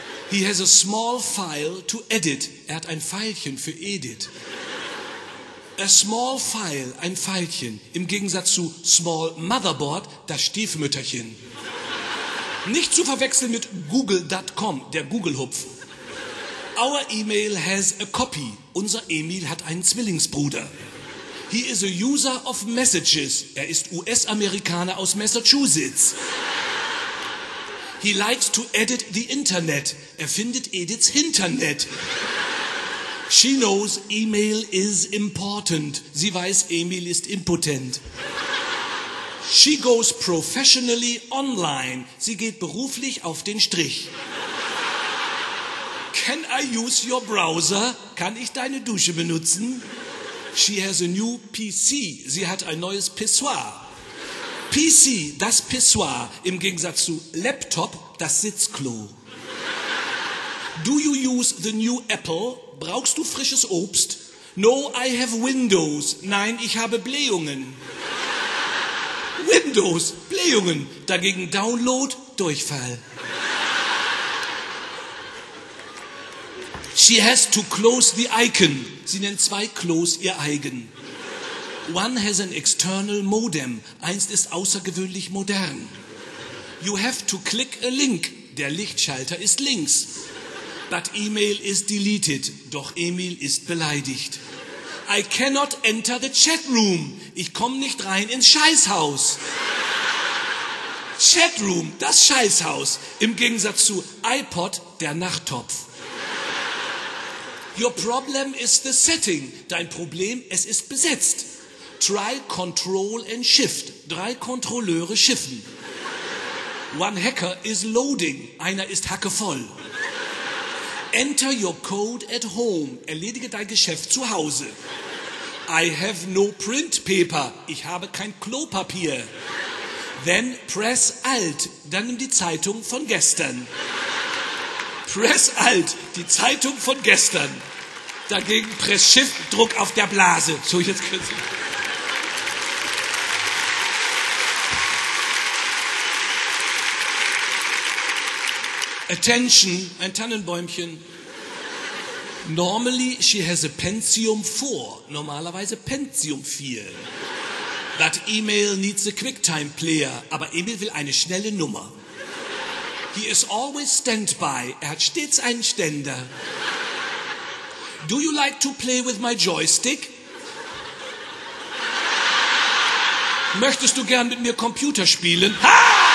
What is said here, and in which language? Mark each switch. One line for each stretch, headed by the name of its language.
English: He has a small file to edit.
German: Er hat ein Pfeilchen für Edit.
English: A small file,
German: ein Pfeilchen. Im Gegensatz zu
English: small motherboard,
German: das Stiefmütterchen. Nicht zu verwechseln mit google.com, der Google-Hupf.
English: Our email has a copy.
German: Unser Emil hat einen Zwillingsbruder.
English: He is a user of messages.
German: Er ist US-Amerikaner aus Massachusetts.
English: He likes to edit the internet.
German: Er findet Ediths Internet.
English: She knows email is important.
German: Sie weiß, Emil ist impotent.
English: She goes professionally online.
German: Sie geht beruflich auf den Strich.
English: Can I use your browser?
German: Kann ich deine Dusche benutzen?
English: She has a new PC.
German: Sie hat ein neues Pissoir. PC, das Pissoir, im Gegensatz zu Laptop, das Sitzklo.
English: Do you use the new Apple?
German: Brauchst du frisches Obst?
English: No, I have Windows.
German: Nein, ich habe Blähungen. Windows, Blähungen. Dagegen Download, Durchfall.
English: She has to close the icon.
German: Sie nennt zwei Klos ihr eigen.
English: One has an external modem.
German: Eins ist außergewöhnlich modern.
English: You have to click a link.
German: Der Lichtschalter ist links.
English: But email is deleted.
German: Doch Emil ist beleidigt.
English: I cannot enter the chat room.
German: Ich komme nicht rein ins Scheißhaus. Chatroom, das Scheißhaus. Im Gegensatz zu iPod, der Nachttopf.
English: Your problem is the setting.
German: Dein Problem, es ist besetzt.
English: Try control and shift.
German: Drei Kontrolleure schiffen.
English: One hacker is loading.
German: Einer ist hackevoll.
English: Enter your code at home.
German: Erledige dein Geschäft zu Hause.
English: I have no print paper.
German: Ich habe kein Klopapier.
English: Then press alt.
German: Dann nimm die Zeitung von gestern.
English: Press alt.
German: Die Zeitung von gestern. Dagegen
English: press shift,
German: Druck auf der Blase. So, jetzt kurz. Attention, ein Tannenbäumchen.
English: Normally she has a Pentium 4,
German: normalerweise Pentium 4.
English: That email needs a QuickTime player,
German: aber Emil will eine schnelle Nummer.
English: He is always standby,
German: er hat stets einen Ständer.
English: Do you like to play with my joystick?
German: Möchtest du gern mit mir Computer spielen? Ha!